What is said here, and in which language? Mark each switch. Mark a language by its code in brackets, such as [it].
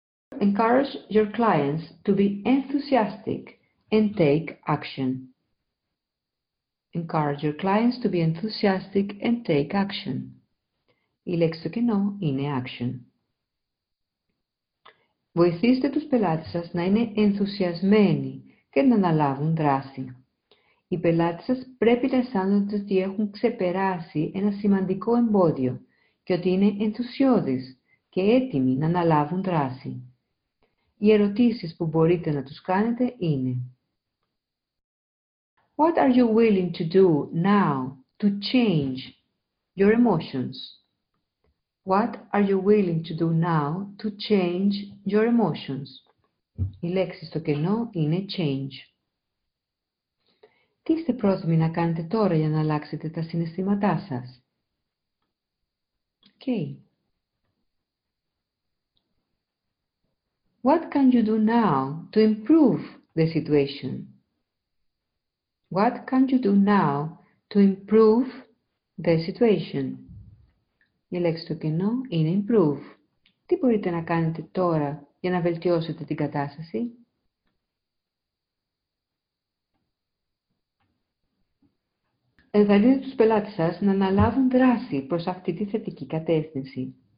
[en] Encourage your clients to be enthusiastic and take action. Encourage your clients to be enthusiastic and take action. [el] Η λέξη το κενό είναι action. Βοηθήστε τους πελάτες σας να είναι ενθουσιασμένοι και να αναλάβουν δράση. Οι πελάτες σας πρέπει να αισθάνονται ότι έχουν ξεπεράσει ένα σημαντικό εμπόδιο και ότι είναι ενθουσιώδεις και έτοιμοι να αναλάβουν δράση. Οι ερωτήσεις που μπορείτε να τους κάνετε είναι: [en] What are you willing to do now to change your emotions? What are you willing to do now to change your emotions? [el] Η λέξη στο κενό είναι change. Τι είστε πρόθυμοι να κάνετε τώρα για να αλλάξετε τα συναισθήματά σας? Okay. [en] What can you do now to improve the situation? What can you do now to improve the situation? [el] Η λέξη στο κενό είναι improve. Τι μπορείτε να κάνετε τώρα για να βελτιώσετε την κατάσταση? Ενθαρρύνετε τους πελάτες σας να αναλάβουν δράση προς αυτή τη θετική κατεύθυνση.